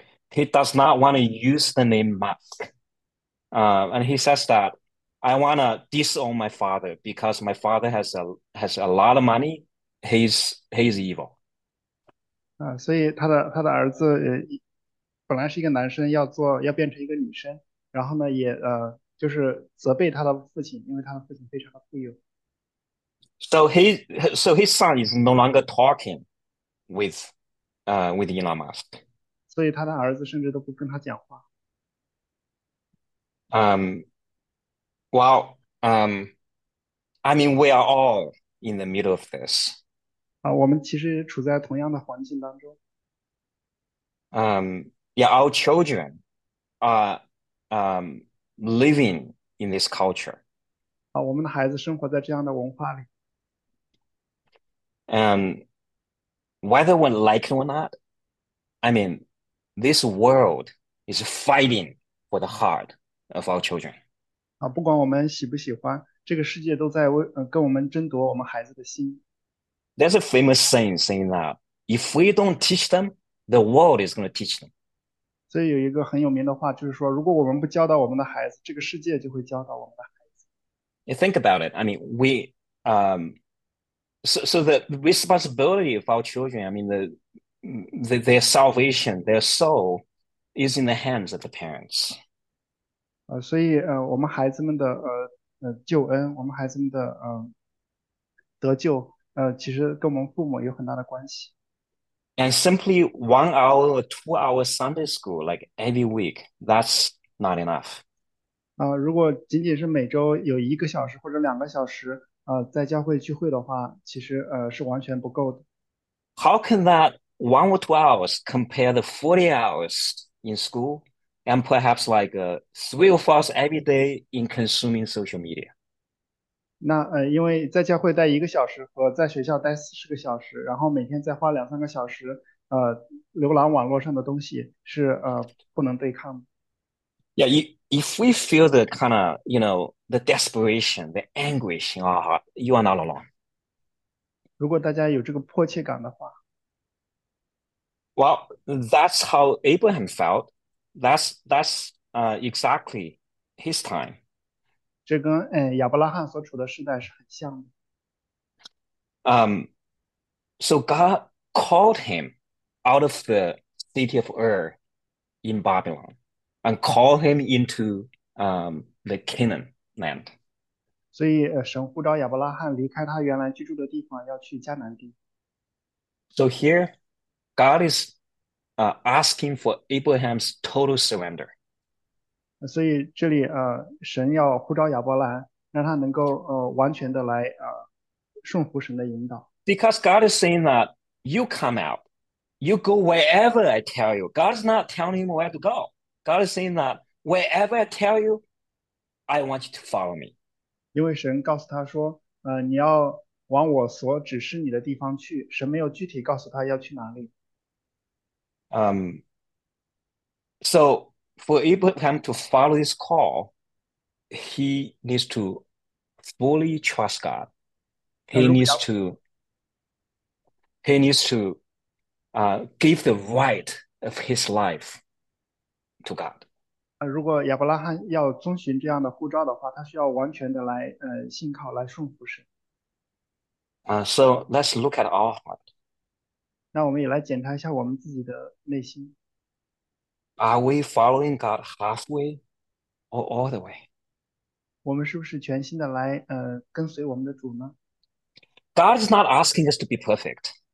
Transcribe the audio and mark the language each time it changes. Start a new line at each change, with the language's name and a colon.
English: He does not want to use the name Musk. And he says that I want to disown my father because my father has a lot of money. He's evil.
Chinese: 所以他的儿子本来是一个男生，要变成一个女生，然后呢也就是责备他的父亲，因为他的父亲非常的富有。
English: So his son is no longer talking with Elon Musk.
Chinese: 所以他的儿子甚至都不跟他讲话。
English: I mean, we are all in the middle of this.
Chinese: 我们其实处在同样的环境当中。
English: Our children are living in this culture.
Chinese: 我们的孩子生活在这样的文化里。
English: Whether we like it or not, I mean, this world is fighting for the heart of our children.
Chinese: 不管我们喜不喜欢，这个世界都在为，跟我们争夺我们孩子的心。
English: There's a famous saying that if we don't teach them, the world is going to teach them.
Chinese: 所以有一个很有名的话，就是说，如果我们不教导我们的孩子，这个世界就会教导我们的孩子。
English: You think about it. I mean, we, So the responsibility of our children, I mean their salvation, their soul, is in the hands of the parents.
Chinese: 所以我们孩子们的救恩，我们孩子们的得救，其实跟我们父母有很大的关系。
English: And simply 1 hour or 2 hour Sunday school, like every week, that's not enough.
Chinese: 如果仅仅是每周有1个小时或者2个小时，在教会聚会的话，其实是完全不够的。
English: How can that 1 or 2 hours compare the 40 hours in school and perhaps like 3 or 4 hours every day in consuming social media?
Chinese: 因为在教会待1个小时和在学校待40个小时，然后每天再花2、3个小时，浏览网络上的东西是不能对抗的。
English: Yeah, if we feel the kind of, the desperation, the anguish in our heart, you are not alone.
Chinese: 如果大家有这个迫切感的话，
English: Well, that's how Abraham felt. That's exactly his time.
Chinese: 这跟亚伯拉罕所处的时代是很像的。
English: So God called him out of the city of Ur in Babylon and called him into the Canaan land.
Chinese: 所以，神呼召亚伯拉罕离开他原来居住的地方，要去迦南地。
English: So here, God is asking for Abraham's total surrender.
Chinese: 所以这里，神要呼召亚伯兰，让他能够完全的来顺服神的引导。
English: Because God is saying that you come out, you go wherever I tell you. God's not telling him where to go. God is saying that wherever I tell you, I want you to follow me.
Chinese: 因为神告诉他说，你要往我所指示你的地方去。神没有具体告诉他要去哪里。
English: So for Abraham to follow this call, he needs to fully trust God. He needs to give the right of his life to God.
Chinese: 如果亚伯拉罕要遵循这样的护照的话，他需要完全的来信靠来顺服神。
English: So let's look at our heart.
Chinese: 那我们也来检查一下我们自己的内心。
English: Are we following God halfway or all the way?
Chinese: 我们是不是全心的来跟随我们的主呢？
English: God is not asking us to be perfect.